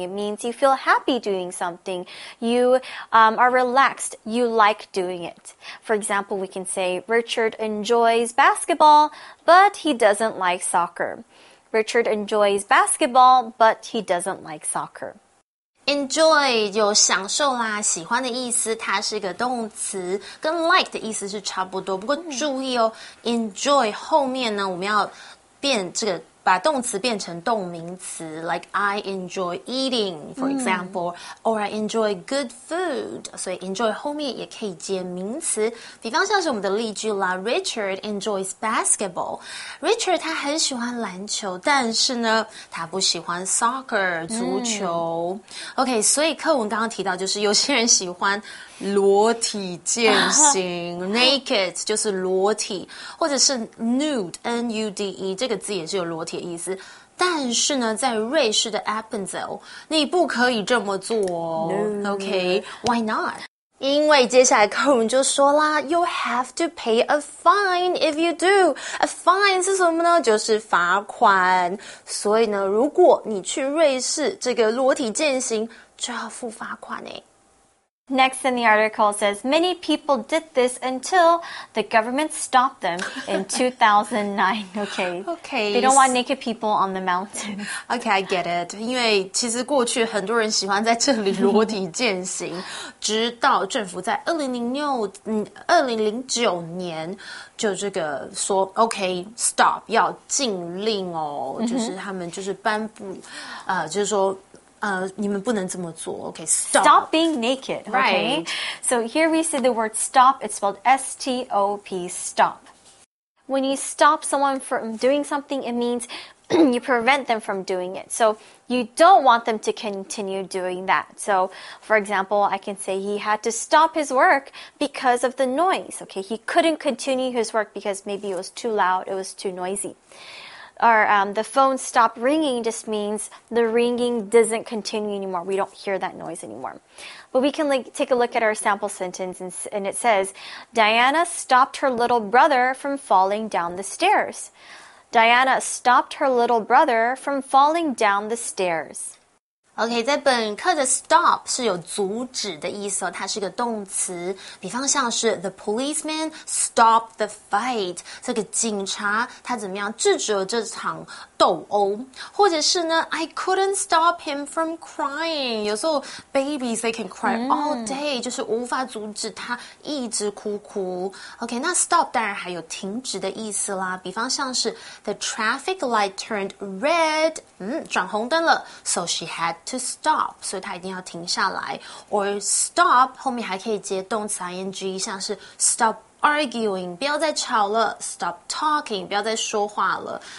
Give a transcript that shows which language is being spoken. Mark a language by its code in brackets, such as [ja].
[en] It means you feel happy doing something. You are relaxed. You like doing it. For example, we can say Richard enjoys basketball, but he doesn't like soccer. Richard enjoys basketball, but he doesn't like soccer. [zh] Enjoy 有享受啦，喜欢的意思，它是一个动词，跟 like 的意思是差不多。不过注意哦，enjoy 后面呢，我们要变这个把动词变成动名词 ， [en] like I enjoy eating, for example,or I enjoy good food. [zh] 所以 enjoy 后面也可以接名词。比方像是我们的例句啦 ， [en] Richard enjoys basketball. [zh] Richard 他很喜欢篮球，但是呢，他不喜欢 soccer 足球。 OK， 所以课文刚刚提到，就是有些人喜欢裸体健行naked 就是裸体，或者是 nude N-U-D-E 这个字也是有裸体的意思，但是呢在瑞士的 Appenzell 你不可以这么做 [en] no. OK Why not? [zh] 因为接下来客人就说啦 [en] You have to pay a fine if you do. [zh] A fine 是什么呢？就是罚款。所以呢如果你去瑞士这个裸体健行就要付罚款耶。 [en] Next in the article says, many people did this until the government stopped them in 2009. Okay. They don't want naked people on the mountain. Okay, I get it. [zh] 因为其实过去很多人喜欢在这里裸体健行，直到政府在2009年就这个说 [en] okay, stop, [zh] 要禁令哦，就是他们就是颁布，就是说你们不能这么做 [en] Okay, stop. Stop being naked, okay? Right. So here we see the word stop. It's spelled S-T-O-P, stop. When you stop someone from doing something, it means you prevent them from doing it. So you don't want them to continue doing that. So, for example, I can say he had to stop his work because of the noise. Okay, he couldn't continue his work because maybe it was too loud, it was too noisy. Or the phone stopped ringing just means the ringing doesn't continue anymore. We don't hear that noise anymore. But we can take a look at our sample sentence and it says, Diana stopped her little brother from falling down the stairs. Diana stopped her little brother from falling down the stairs. [zh] OK, 在本课的 stop 是有阻止的意思哦，它是一个动词。比方像是 [en] the policeman stopped the fight, [zh] 这个警察他怎么样制止了这场斗殴。或者是呢 [en] I couldn't stop him from crying, [zh] 有时候 [en] babies they can cry all day, [zh] 就是无法阻止他一直哭哭。 OK, 那 stop 当然还有停止的意思啦，比方像是 [en] the traffic light turned red, [zh] 转红灯了 [en] so she hadTo stop, [zh] 所以它一定要停下来。 [en] Or stop, [zh] 后面还可以接动词 ing, 像是 [en] stop arguing, [zh] 不要再吵了 , [en] stop talking, [zh] 不要再说话了。